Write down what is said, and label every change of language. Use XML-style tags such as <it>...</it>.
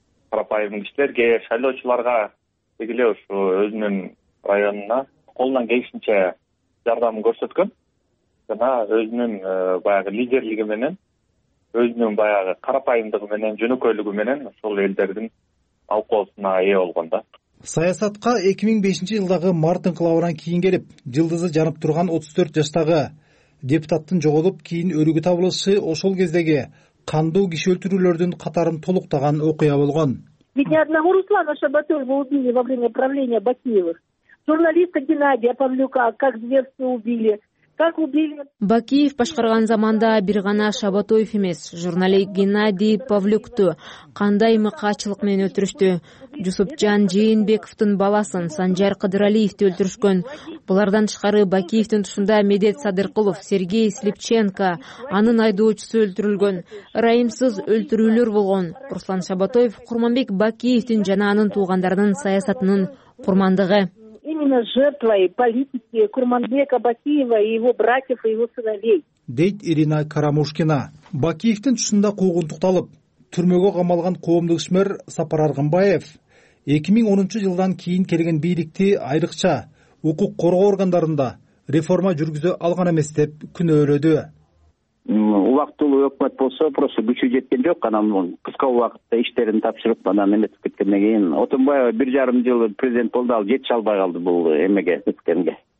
<ky>Карапайым кишилерге, шайлоочуларга деги эле ушу өзүнүн районуна колунан келишинче жардам көрсөткөн жана өзүнүн баягы лидерлиги менен өзүнүн баягы карапайымдыгы менен жөнөкөйлүгү менен ошол элдердин алкоосуна ээ болгон да. Саясатка 2005 жылдагы Мартын клаабынан кийин келип, жылдызы жанып турган 34 жаштагы депутаттын жоголуп кийин өлүгү табылышы ошол кездеги кандуу киши өлтүрүүлөрдүн катарын толуктаган окуя болгон.</ky> <ru>Ведь ни одного Руслана Шаботоева убили во время правления Бакиевых. Журналиста Геннадия Павлюка как зверски убили.</ru> <ky>Бакиев башкарган заманда бир гана Шаботоев эмес, журналист Геннадий Павлюкту кандай мыкаачылык менен өлтүрүштү. Жусупжан Жээнбековдун баласын Санжар Кыдыралиевди өлтүрүшкөн. Булардан тышкары Бакиевдин тушунда Медет Садыркулов, Сергей Слепченко, анын айдоочусу өлтүрүлгөн. Ырайымсыз өлтүрүүлөр болгон. Руслан Шабатоев Курманбек Бакиевдин жана анын туугандарынын саясатынын курмандыгы.</ky> <ru>Именно жертвой политики Курманбека Бакиева и его братьев и его сыновей.</ru> <ky>Дейт Ирина Карамушкина. Бакиевдин тушунда куугунтукталып, түрмөгө камалган коомдук ишмер Сапар Аргынбаев 2010-жылдан кийин келген бийликти айрыкча укук коргоо органдарында реформа жүргүзө алган эмес деп күнөөлөдү. Убактылуу өкмөт болсо, просто күчү жеткен жок, анан кыска убакытта иштерин тапшырып, анан эметип кеткенден кийин Отунбаева 1.5 жыл президент болду, ал жетише албай калды бул эмеге эткенге.</ky>